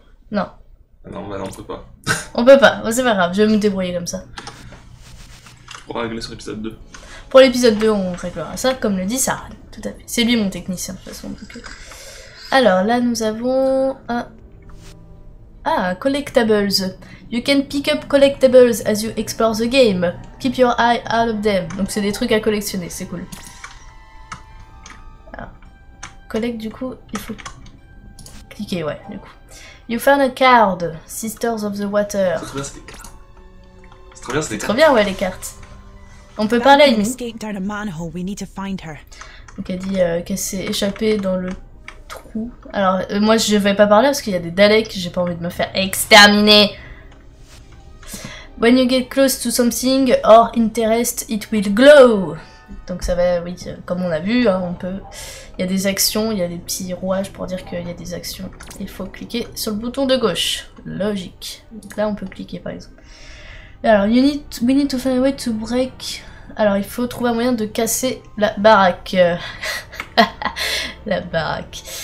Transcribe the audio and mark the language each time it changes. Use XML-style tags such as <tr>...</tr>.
<fr>Non. Non, bah non, on peut pas. On peut pas, bon, c'est pas grave, je vais me débrouiller comme ça. Pour régler sur l'épisode 2. Pour l'épisode 2, on réglera ça, comme le dit Sarah. Tout à fait. C'est lui mon technicien, de toute façon. Donc... Alors, là, nous avons un...</fr> <en>Ah, collectables. You can pick up collectables as you explore the game. Keep your eye out of them.</en> <fr>Donc c'est des trucs à collectionner, c'est cool. Ah. Collect, du coup, il faut... cliquer, ouais, du coup.</fr> <en>You found a card, Sisters of the Water.</en> <fr>C'est trop bien, c'est des cartes. C'est trop bien, ouais, les cartes. On peut parler, Amy. Donc elle dit qu'elle s'est échappée dans le trou. Alors moi je vais pas parler parce qu'il y a des Daleks, j'ai pas envie de me faire exterminer.</fr> <en>When you get close to something or interest, it will glow.</en> <fr>Donc ça va, oui, comme on a vu, hein, on peut. Il y a des actions, il y a des petits rouages pour dire qu'il y a des actions. Il faut cliquer sur le bouton de gauche. Logique. Donc là on peut cliquer par exemple. Alors,</fr> <en>we need to find a way to break.</en> <fr>Alors, il faut trouver un moyen de casser la baraque. La baraque.</fr>